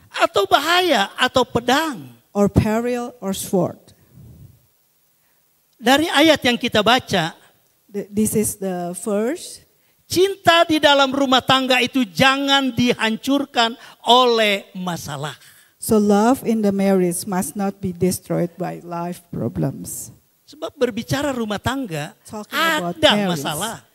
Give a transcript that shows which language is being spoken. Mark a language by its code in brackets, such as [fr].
[id] Atau bahaya atau pedang? [en] Or peril or sword? [id] Dari ayat yang kita baca, [en] this is the first. [id] cinta di dalam rumah tangga itu jangan dihancurkan oleh masalah. [en] So love in the marriage must not be destroyed by life problems. [id] Sebab berbicara rumah tangga, ada masalah.